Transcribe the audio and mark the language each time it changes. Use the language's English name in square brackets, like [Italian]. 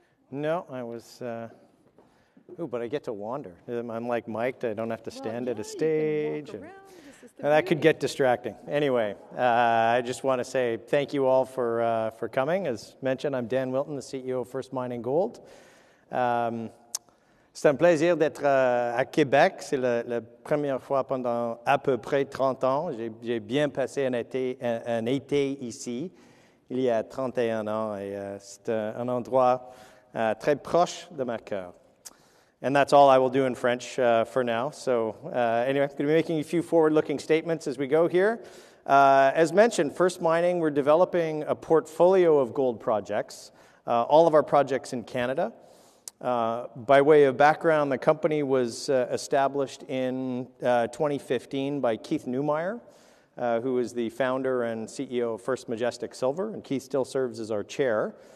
[English] No, I was, ooh, but I get to wander. I'm like mic'd. I don't have to stand at a stage. You can walk around. This is the beauty. That could get distracting. Anyway, I just want to say thank you all for coming. As mentioned, I'm Dan Wilton, the CEO of First Mining Gold. [French] C'est un plaisir d'être à Québec. C'est la première fois pendant à peu près 30 ans. J'ai bien passé un été ici il y a 31 ans. Et c'est un endroit très proche de ma cœur. [English] And that's all I will do in French for now. So anyway, I'm going to be making a few forward-looking statements as we go here. As mentioned, First Mining, we're developing a portfolio of gold projects, all of our projects in Canada. By way of background, the company was established in 2015 by Keith Neumeyer, who is the founder and CEO of First Majestic Silver, and Keith still serves as our chair.